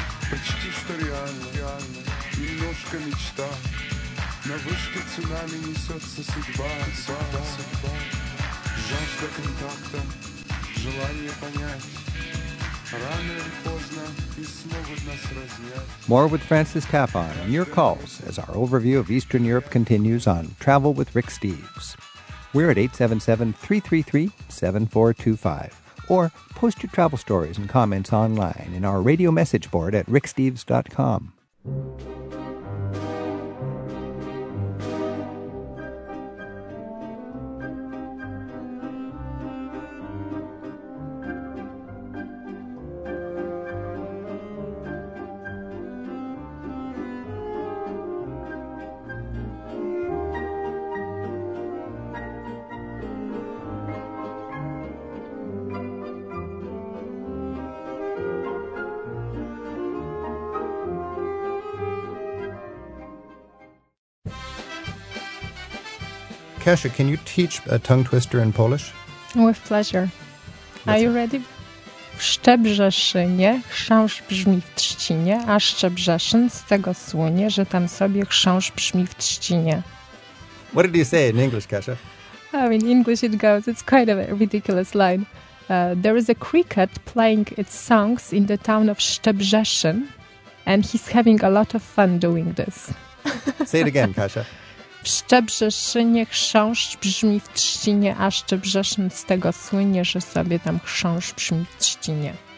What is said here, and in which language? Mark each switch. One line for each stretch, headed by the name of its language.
Russian: Почти что реально, немножко мечта. На вышке цунами несется судьба. Жажда контакта, желание понять. Рано или поздно и смогут нас разнять.
English: More with Francis Tapon and your calls as our overview of Eastern Europe continues on Travel with Rick Steves. We're at 877-333-7425. Or post your travel stories and comments online in our radio message board at ricksteves.com. Kasia, can you teach a tongue twister in Polish? With pleasure. Are you ready?
Polish: W Szczebrzeszynie chrząsz brzmi w trzcinie, a Szczebrzeszyn z tego słynie, że tam sobie chrząsz brzmi w trzcinie.
English: What did you say in English, Kasia? In English it goes, it's quite a ridiculous line. There is a cricket playing its songs in the town of Szczebrzeszyn, and he's having a lot of fun doing this. Say it again, Kasia.
Polish: W Szczebrzeszynie chrząszcz brzmi w trzcinie, a Szczebrzeszyn z tego słynie, że sobie tam chrząszcz brzmi w trzcinie.